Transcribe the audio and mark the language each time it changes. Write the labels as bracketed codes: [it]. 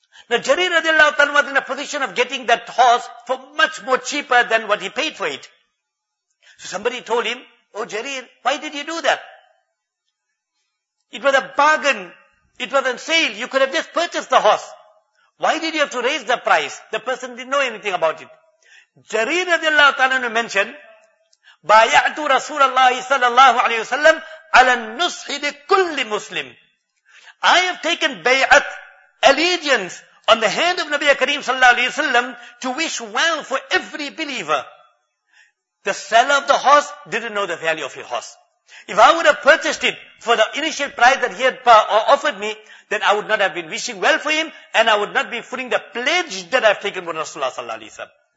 [en] Now Jarir radiallahu ta'ala was in a position of getting that horse for much more cheaper than what he paid for it. So somebody told him, oh Jarir, why did you do that? It was a bargain. It was on sale. You could have just purchased the horse. Why did you have to raise the price? The person didn't know anything about it. [ar] Jarir radiallahu ta'ala [en] mentioned, [ar] بَايَعْتُ رَسُولَ اللَّهِ صَلَى اللَّهُ عَلَيْهِ وَسَلَّمُ عَلَى النُّصْحِ لِكُلِّ مُسْلِمٍ. [en] I have taken bay'at, allegiance, on the hand of Nabi Kareem sallallahu alayhi wa sallam, to wish well for every believer. The seller of the horse didn't know the value of his horse. If I would have purchased it for the initial price that he had offered me, then I would not have been wishing well for him, and I would not be fulfilling the pledge that I have taken with Rasulullah sallallahu alayhi wa sallam.